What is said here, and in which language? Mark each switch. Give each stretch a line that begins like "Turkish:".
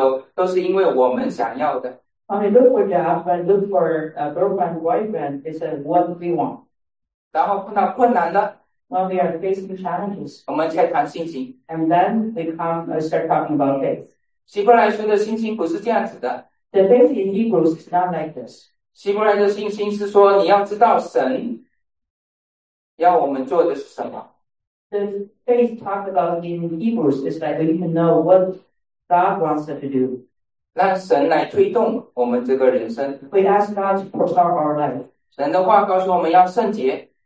Chinese: 我们找男女朋友都是因为我们想要的。
English: When we look for job, when we look for a girlfriend, boyfriend, it's what we want.
Chinese: 然后碰到困难了。
English: When we are facing challenges.
Chinese: 我们才谈信心。
English: And then we start talking about faith.
Chinese: 希伯来书的信心不是这样子的。
English: The faith in Hebrews is not like this.
Chinese: 希伯来的信心是说你要知道神要我们做的是什么。
English: The faith talked about in Hebrews is that we can know what God wants us to do.
Chinese: 让神来推动我们这个人生。
English: We ask God to propel our life.
Chinese: 神的话告诉我们要圣洁。